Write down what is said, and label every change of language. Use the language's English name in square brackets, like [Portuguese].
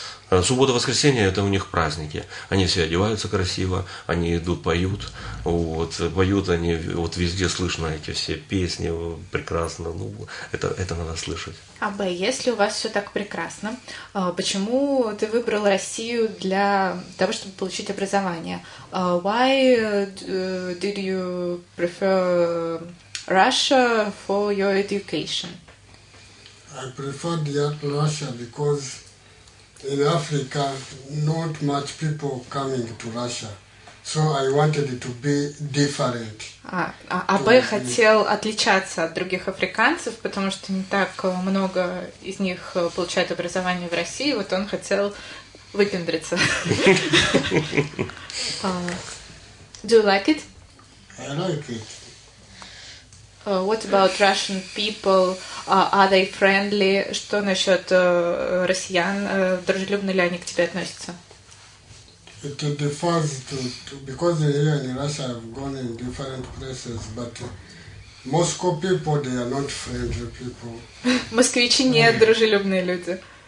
[Russian] Суббота-воскресенье это у них праздники. Они все одеваются красиво, они идут, поют. Вот, поют они, вот везде слышно эти все песни прекрасно. Ну, это надо слышать. А Б, если у вас все так прекрасно, почему ты выбрал Россию для того, чтобы получить образование? [English] Why did you prefer Russia for your education? I preferred Russia because in Africa not much people coming to Russia. So I wanted to be different. [Russian] А Б хотел отличаться от других африканцев, потому что не так много из них получают образование в России. Вот он хотел выпендриться. [English] Do you like it? I like it. What about Russian people? Are they friendly? [Russian] Что насчет россиян? Дружелюбны ли они к тебе относятся? [English] It differs because here in Russia I've gone in different places, but Moscow people they are not friendly people. [Russian] Москвичи не дружелюбные люди.